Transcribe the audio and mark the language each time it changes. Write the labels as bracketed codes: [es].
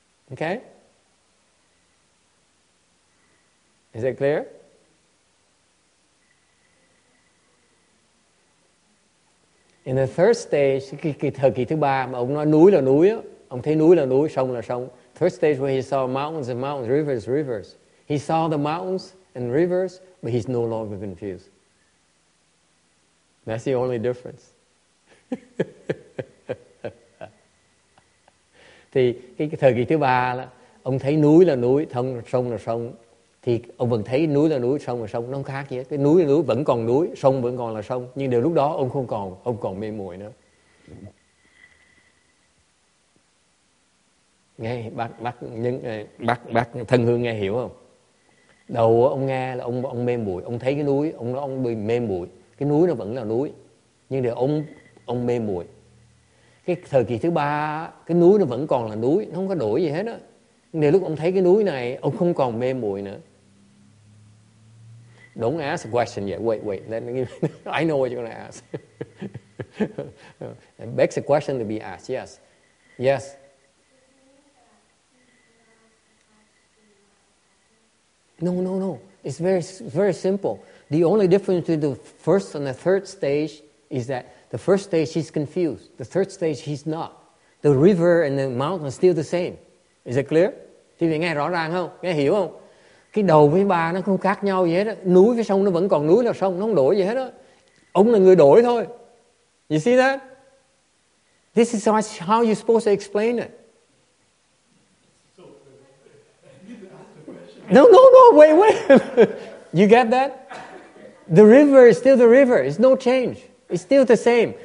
[en] Okay? Is it clear? In the third stage, [vi] cái thời kỳ thứ ba mà ông nói núi là núi á, ông thấy núi là núi, sông là sông. [en] Third stage where he saw mountains and mountains, rivers, rivers. He saw the mountains and rivers, but he's no longer confused. That's the only difference. [vi] Thì cái thời kỳ thứ ba là ông thấy núi là núi, thông sông là sông, thì ông vẫn thấy núi là núi, sông là sông, nó không khác gì hết. Cái núi là núi vẫn còn núi, sông vẫn còn là sông, nhưng đều lúc đó ông không còn, ông còn mê muội nữa. Nghe bác thân hương nghe hiểu không? Đầu ông nghe là ông mê muội, ông thấy cái núi, ông nói ông bị mê muội, cái núi nó vẫn là núi, nhưng đều ông mê muội. Cái thời kỳ thứ ba, cái núi nó vẫn còn là núi, nó không có đổi gì hết á. Nếu lúc ông thấy cái núi này, ông không còn mê muội nữa. [en] Don't ask a question yet. Wait. Let me give you, I know what you're going to ask. It begs a question to be asked. Yes. Yes. No. It's very, very simple. The only difference between the first and the third stage is that the first stage, he's confused. The third stage, he's not. The river and the mountain are still the same. Is it clear? [vi] Thì vị nghe rõ ràng không? Nghe hiểu không? Cái đầu với ba nó không khác nhau gì hết á. Núi với sông nó vẫn còn núi là sông, nó không đổi gì hết á. Ông là người đổi thôi. [en] You see that? This is how you're supposed to explain it. No, wait. You get that? The river is still the river. It's no change. It's still the same.